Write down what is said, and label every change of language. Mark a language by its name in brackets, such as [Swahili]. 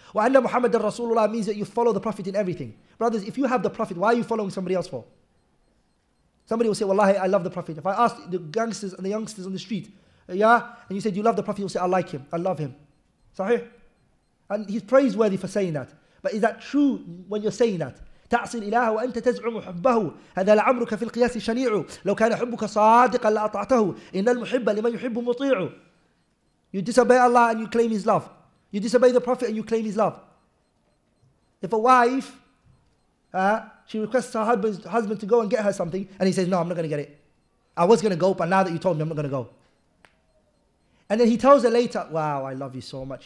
[English] Wa anna Muhammadan Rasulullah means that you follow the Prophet in everything. Brothers, if you have the Prophet, why are you following somebody else for? Somebody will say, wallahi, I love the Prophet. If I ask the gangsters and the youngsters on the street, yeah, and you say, do you love the Prophet? You'll say, I like him. I love him. Sahih? And he's praiseworthy for saying that. But is that true when you're saying that? [Arabic] تعصي الإله وأنت تزعم حبه هذا لعمرك في القياس شنيع لو كان حبك صادقا لأطعته إن المحب لمن يحب مطيع. [English] You disobey Allah and you claim His love. You disobey the Prophet and you claim His love. If a wife, she requests her husband to go and get her something and he says, no, I'm not going to get it. I was going to go, but now that you told me, I'm not going to go. And then he tells her later, wow, I love you so much.